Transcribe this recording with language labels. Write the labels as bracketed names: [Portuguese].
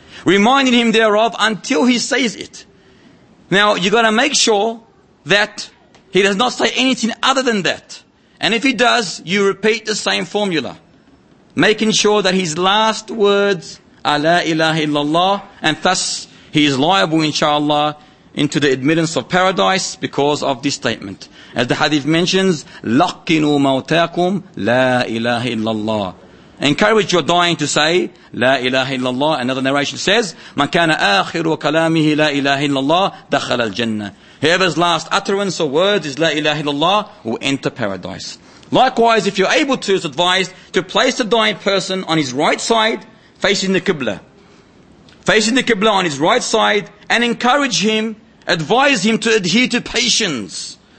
[English] Reminding him thereof until he says it. Now, you got to make sure that he does not say anything other than that. And if he does, you repeat the same formula. Making sure that his last words are la ilaha illallah, and thus he is liable, inshallah, into the admittance of paradise because of this statement. As the hadith mentions, [Arabic] لَقِّنُوا مَوْتَاكُمْ لَا إِلَهَ إِلَّا اللَّهِ. [English] Encourage your dying to say, [Arabic] لَا إِلَهَ إِلَّا اللَّهِ. [English] Another narration says, [Arabic] مَنْ كَانَ آخِرُ وَكَلَامِهِ لَا إِلَهَ إِلَّا اللَّهِ دَخَلَ الْجَنَّةِ. [English] Whoever's last utterance or words is [Arabic] لَا إِلَهَ إِلَّا اللَّهِ [English] will enter paradise. Likewise, if you're able to, it's advised to place the dying person on his right side, facing the Qibla. Facing the Qibla on his right side, and encourage him, advise him to adhere to patience.